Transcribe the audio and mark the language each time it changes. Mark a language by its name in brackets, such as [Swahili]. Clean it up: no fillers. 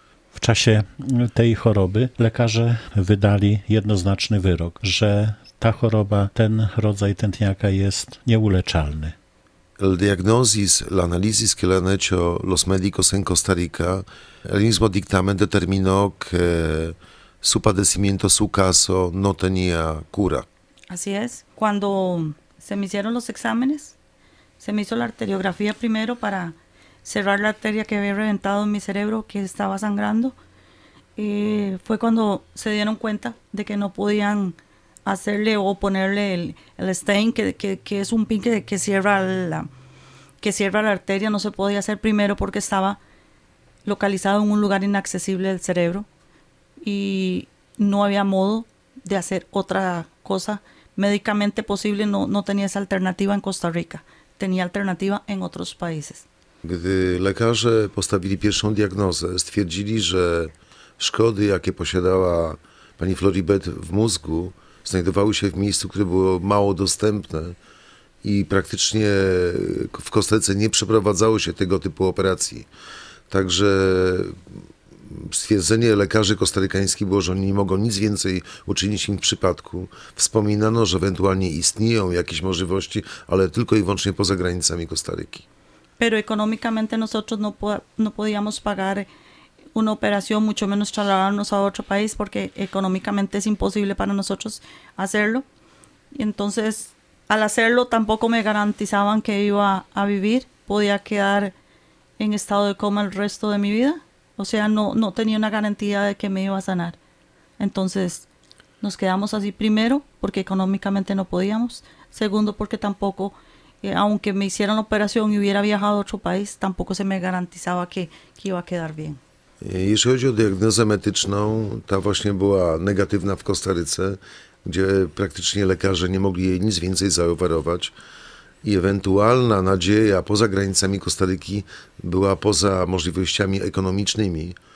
[Polish] W czasie tej choroby lekarze wydali jednoznaczny wyrok, że ta choroba, ten rodzaj tętniaka jest nieuleczalny. [Spanish] El diagnosis, la análisis que le han hecho los médicos en Costa Rica, el mismo dictamen determinó que su padecimiento, su caso, no tenía cura. Así es. Cuando se me hicieron los exámenes, se me hizo la arteriografía primero para cerrar la arteria que había reventado en mi cerebro, que estaba sangrando. Y fue cuando se dieron cuenta de que no podían hacerle o ponerle el stent, que es un pin que cierra la arteria. No se podía hacer primero porque estaba localizado en un lugar inaccesible del cerebro y no había modo de hacer otra cosa médicamente posible. No tenía esa alternativa en Costa Rica, tenía alternativa en otros países. [Polish] Gdy lekarze postawili pierwszą diagnozę, stwierdzili, że szkody, jakie posiadała pani Floribet w mózgu, znajdowały się w miejscu, które było mało dostępne i praktycznie w Kostaryce nie przeprowadzało się tego typu operacji. Także stwierdzenie lekarzy kostarykańskich było, że oni nie mogą nic więcej uczynić im w przypadku. Wspominano, że ewentualnie istnieją jakieś możliwości, ale tylko i wyłącznie poza granicami Kostaryki. [Spanish] Pero económicamente nosotros no podíamos pagar una operación, mucho menos trasladarnos a otro país, porque económicamente es imposible para nosotros hacerlo. Y entonces, al hacerlo, tampoco me garantizaban que iba a vivir. Podía quedar en estado de coma el resto de mi vida. O sea, no tenía una garantía de que me iba a sanar. Entonces, nos quedamos así primero, porque económicamente no podíamos. Segundo, porque tampoco, aunque me hicieran operación y hubiera viajado a otro país, tampoco se me garantizaba que iba a quedar bien. [Polish] Jeśli chodzi o diagnozę medyczną, ta właśnie była negatywna w Kostaryce, gdzie praktycznie lekarze nie mogli jej nic więcej zaoferować i ewentualna nadzieja poza granicami Kostaryki była poza możliwościami ekonomicznymi.